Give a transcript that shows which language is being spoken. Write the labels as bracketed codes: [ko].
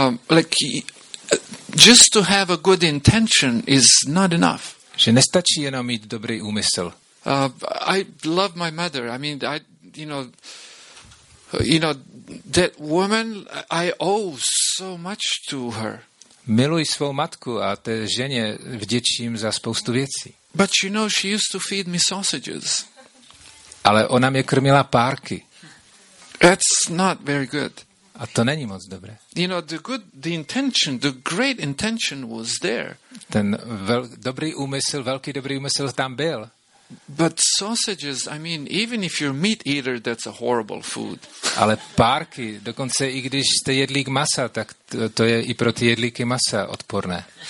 [en] Like just to have a good intention is not enough. [cs] Že nestačí jenom mít dobrý úmysl. [en] I love my mother. I mean, I that woman, I owe so much to her. [cs] Miluji svou matku a té ženě vděčím za spoustu věcí. [en] But you know, she used to feed me sausages. [cs] Ale ona mě krmila párky. [en] That's not very good. [cs] A to není moc dobré. [en] You know, the intention, the great intention was there. [cs] Ten velký dobrý úmysl tam byl. [en] But sausages, I mean, even if you're meat eater, that's a horrible food. [cs] Ale párky, dokonce i když jste jedlík masa, tak to je i pro ty jedlíky masa odporné.